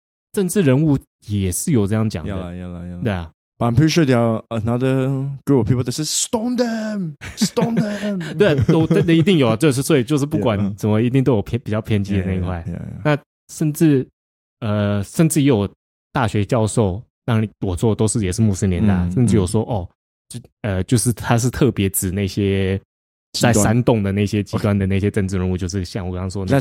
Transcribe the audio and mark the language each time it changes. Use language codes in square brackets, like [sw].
[zh] 政治人物也是有这样讲的，要了 [en] 对啊。 I'm pretty sure there are another group of people that says stone them, stone them [zh] 對。对，都那一定有啊，就是所以就是不管怎么，一定都有比较偏激的那一块。 Yeah, yeah, yeah, yeah. 那甚至也有大学教授，当然我做的都是也是穆斯林的、啊嗯、甚至有说、嗯、哦 就是他是特别指那些在煽动的那些极端的那些政治人物，就是像我刚刚说那个